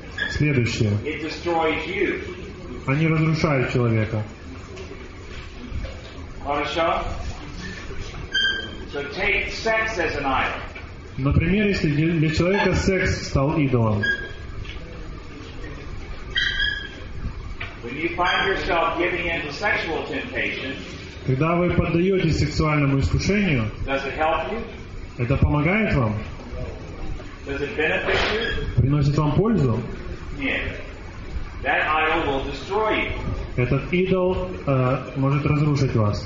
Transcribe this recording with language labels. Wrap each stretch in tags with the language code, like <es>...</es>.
<ru>Следующее.</ru> <en>It destroys you.</en> <ru>Они разрушают человека. Хорошо?</ru> <en>So take sex as an idol.</en> <ru>Например, если для человека секс стал идолом.</ru> <en>When you find yourself giving in to sexual temptation,</en> <ru>когда вы поддаетесь сексуальному искушению,</ru> <en>does it help you?</en> <ru>Это помогает вам?</ru> <en>Does it benefit you?</en> <ru>Приносит вам пользу?</ru> <en>Yeah. That idol will destroy you.</en> <ru>Этот идол может разрушить вас.</ru>